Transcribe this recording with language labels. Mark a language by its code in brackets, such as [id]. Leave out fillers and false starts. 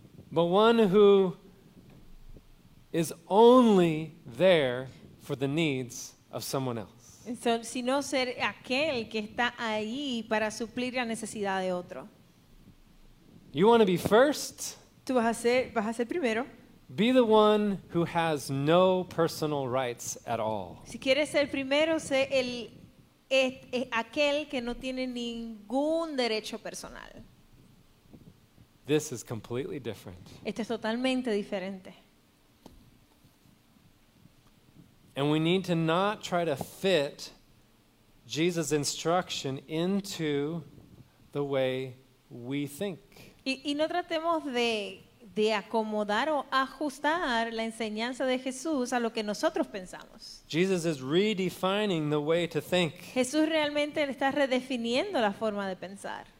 [en] But one who is only there for the needs of someone else. [es] So, sino ser aquel que está ahí para suplir la necesidad de otro. [en] You want to be first? [es] Tú vas a ser primero. [en] Be the one who has no personal rights at all. [es] Si quieres ser primero, sé aquel que no tiene ningún derecho personal. [en] This is completely different. [es] Esto es totalmente diferente. [en] And we need to not try to fit Jesus' instruction into the way we think. [es] Y no tratemos de acomodar o ajustar la enseñanza de Jesús a lo que nosotros pensamos. [en] Jesus is redefining the way to think. [es] Jesús realmente está redefiniendo la forma de pensar.